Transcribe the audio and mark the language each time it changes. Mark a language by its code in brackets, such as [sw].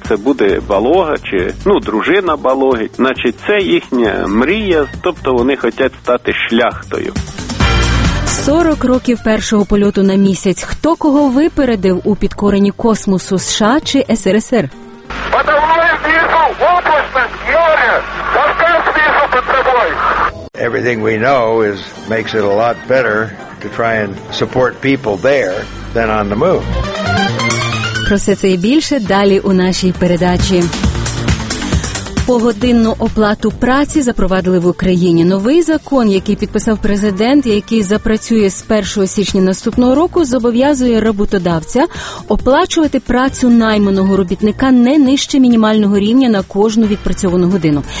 [uk] Це буде Балога чи, ну, дружина Балоги. Значить, це їхня мрія, тобто вони хочуть стати шляхтою. 40 років першого польоту на місяць. Хто кого випередив у підкоренні космосу, США чи СРСР? Батарея знизу, облачність, море, Кавказ знизу під собою. [en] Everything we know is makes it a lot better to try and support people there than on the moon. [uk] Про все це і більше далі у нашій передачі. Погодинну оплату праці запровадили в Україні. Новий закон, який підписав президент, який запрацює з 1 січня наступного року, зобов'язує роботодавця оплачувати працю найманого робітника не нижче мінімального рівня на кожну відпрацьовану годину.